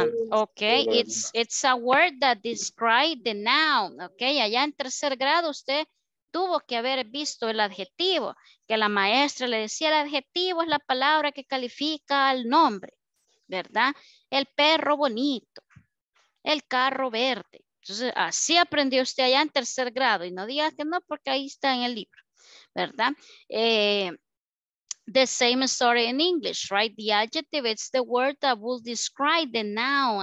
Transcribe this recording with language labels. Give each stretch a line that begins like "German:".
English: Ok, it's a word that describes the noun.
Spanish: Ok, allá en tercer grado usted tuvo que haber visto el adjetivo, que la maestra le decía el adjetivo es la palabra que califica al nombre, ¿verdad? El perro bonito, el carro verde. Entonces, así aprendió usted allá en tercer grado y no diga que no, porque ahí está en el libro, ¿verdad?
English: The same story in English, right? The adjective, it's the word that will describe the noun.